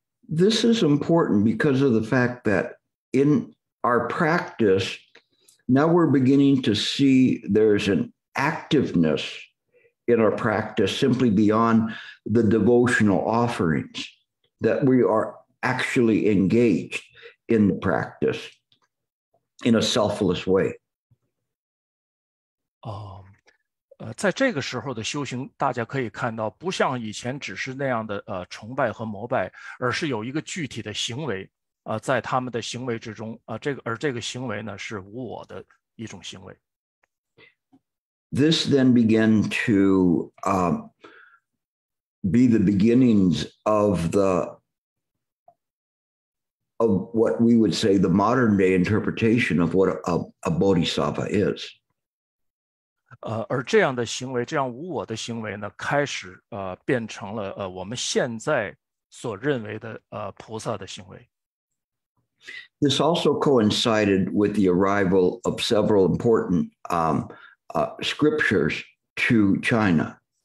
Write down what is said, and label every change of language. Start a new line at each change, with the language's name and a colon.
English: This is important because of the fact that in our practice, now we're beginning to see there's an activeness in our practice simply beyond the devotional offerings, that we are actually engaged in the practice in a selfless way.
Chinese: 在这个时候的修行大家可以看到不像以前只是那样的崇拜和膜拜而是有一个具体的行为在他们的行为之中而这个行为呢是无我的一种行为。
English: This then began to be the beginnings of what we would say the modern day interpretation of what a bodhisattva is.
Chinese: 而这样的行为这样无我的行为呢开始变成了我们现在所认为的菩萨的行为。
English: This also coincided with the arrival of several important scriptures to China.